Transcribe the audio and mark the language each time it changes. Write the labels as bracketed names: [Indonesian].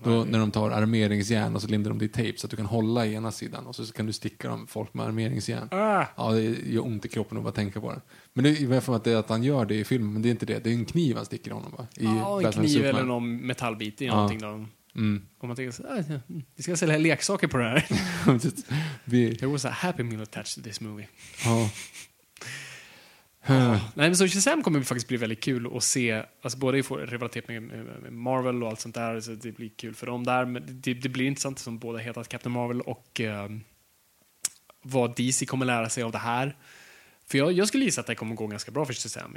[Swedish] då, när de tar armeringsjärn och så lindar de det i tejp så att du kan hålla i ena sidan och så kan du sticka dem folk med armeringsjärn. Ja, det gör ont i kroppen att bara tänka på det. Men det är för att det är att han gör det i filmen, men det är inte det. Det är en kniv han sticker honom, va? En kniv eller någon metallbit i någonting där. Mm. Och man tänker så här, vi ska sälja leksaker på det här. [English] There was a happy meal attached to this movie. [Swedish] Nej, men så Shazam kommer faktiskt bli väldigt kul att se, alltså både i rivalitet med Marvel och allt sånt där, så det blir kul för dem där, men det blir intressant som båda heter Captain Marvel och vad DC kommer lära sig av det här, för jag skulle gissa att det kommer gå ganska bra för Shazam.